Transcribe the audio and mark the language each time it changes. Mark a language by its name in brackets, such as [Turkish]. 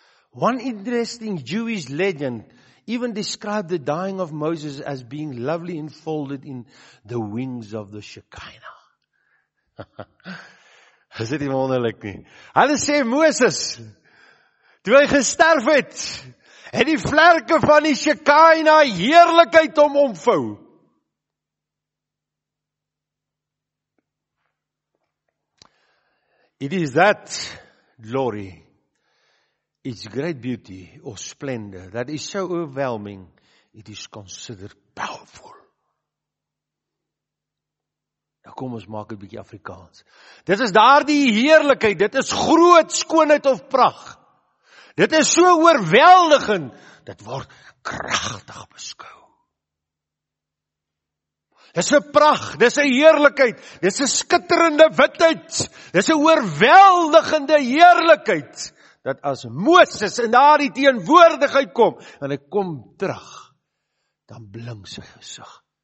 [English] One interesting Jewish legend even described the dying of Moses as being lovely enfolded in the wings of the Shekinah. [Afrikaans] Is dit nie wonderlik nie? Hulle sê, Moses, toe hy gesterf het, het die vlerke van die Shekinah heerlikheid om omvou. [English] It is that glory, its great beauty or splendor, that is so overwhelming, it is considered powerful. [Afrikaans] Nou kom ons maak 'n bietjie Afrikaans. Dit is daardie heerlikheid, dit is groot skoonheid of pracht. Dit is so oorweldigend, dit word kragtig beskou. Dis 'n pracht, dis 'n heerlikheid, dis 'n skitterende witheid, dis 'n oorweldigende heerlikheid, dat as Moses in daardie teenwoordigheid kom, en hy kom terug, dan blink sy gesig.